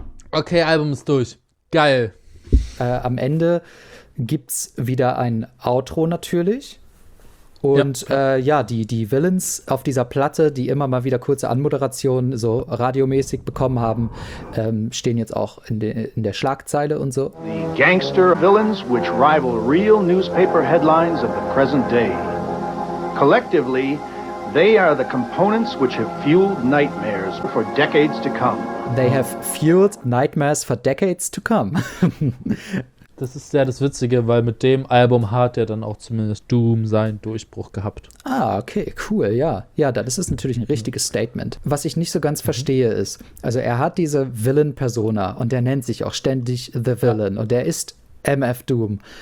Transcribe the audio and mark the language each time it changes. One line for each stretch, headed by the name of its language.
German: Okay, Album ist durch. Geil. Am Ende gibt's wieder ein Outro natürlich. Und die Villains auf dieser Platte, die immer mal wieder kurze Anmoderationen so radiomäßig bekommen haben, stehen jetzt auch in der Schlagzeile und so.
English: The gangster villains, which rival real newspaper headlines of the present day. Collectively, they are the components which have fueled nightmares for decades to come. They have fueled nightmares for decades to come.
German: Das ist ja das Witzige, weil mit dem Album hat er dann auch zumindest Doom seinen Durchbruch gehabt. Ah, okay, cool, ja. Ja, das ist natürlich ein richtiges Statement. Was ich nicht so ganz verstehe ist, also er hat diese Villain-Persona und er nennt sich auch ständig The Villain und er ist MF Doom.